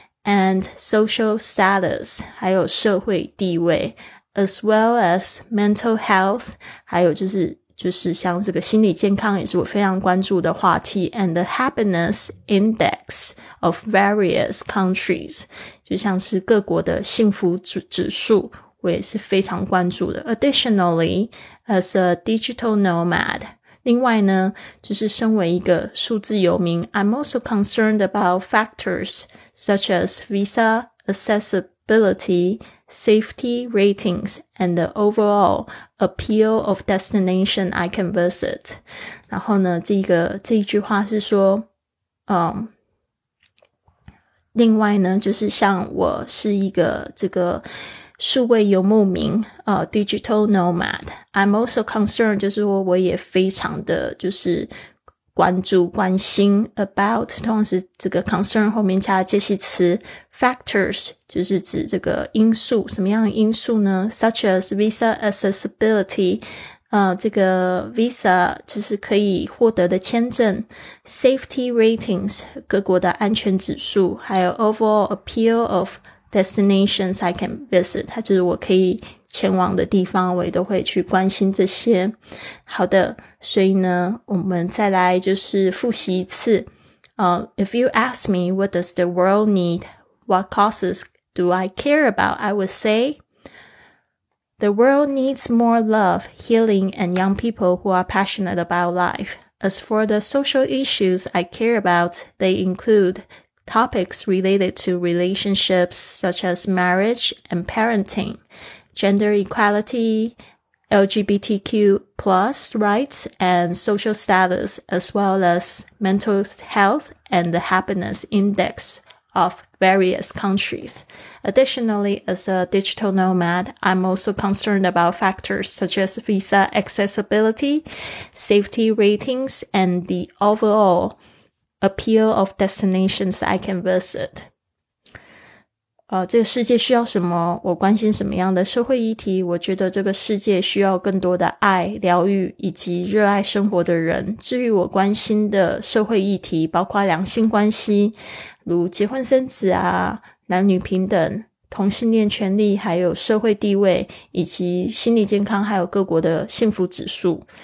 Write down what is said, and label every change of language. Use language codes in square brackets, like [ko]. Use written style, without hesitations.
[en] And social status [zh] 还有社会地位， [en] as well as mental health, [zh] 还有就是像这个心理健康也是我非常关注的话题， [en] and the happiness index of various countries, [zh] 就像是各国的幸福指数我也是非常关注的。 [en] Additionally, as a digital nomad, [zh] 另外呢就是身为一个数字游民， [en] I'm also concerned about factors such as visa accessibility, safety ratings, and the overall appeal of destination I can visit. [zh] 然后呢，这一句话是说，另外呢，就是像我是一个这个数位游牧民， [en] digital nomad. I'm also concerned, [zh] 就是说我也非常的就是关注关心 [en] about, [zh] 通常是这个 concern 后面加介系词 factors, 就是指这个因素，什么样的因素呢？ [en] such as visa accessibility, [zh] 这个 visa 就是可以获得的签证， [en] safety ratings, [zh] 各国的安全指数，还有 [en] overall appeal of destinations I can visit, [zh] 它就是我可以前往的地方，我也都会去关心这些。好的，所以呢我们再来就是复习一次。 [en] If you ask me, what does the world need? What causes do I care about? I would say, the world needs more love, healing, and young people who are passionate about life. As for the social issues I care about, they include topics related to relationships such as marriage and parenting, gender equality, LGBTQ plus rights and social status, as well as mental health and the happiness index of various countries. Additionally, as a digital nomad, I'm also concerned about factors such as visa accessibility, safety ratings, and the overall appeal of destinations I can visit. [zh] 这个世界需要什么？我关心什么样的社会议题？我觉得这个世界需要更多的爱、疗愈以及热爱生活的人。至于我关心的社会议题，包括两性关系，如结婚生子啊、男女平等、同性恋权利，还有社会地位，以及心理健康，还有各国的幸福指数。